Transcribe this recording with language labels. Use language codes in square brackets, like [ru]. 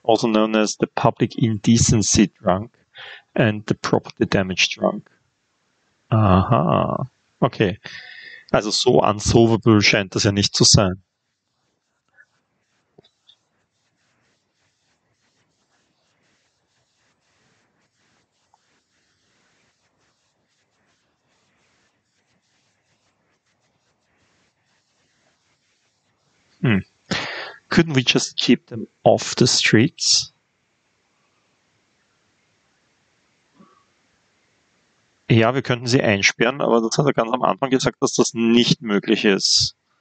[en] Also known as the Public Indecency Drunk and the Property Damage Drunk. [de] Aha. Okay. Also so unsolvable scheint das ja nicht zu sein. [en] Couldn't we just keep them off the streets? [de] Ja, wir könnten sie einsperren, aber das hat er ganz am Anfang gesagt, dass das nicht möglich ist.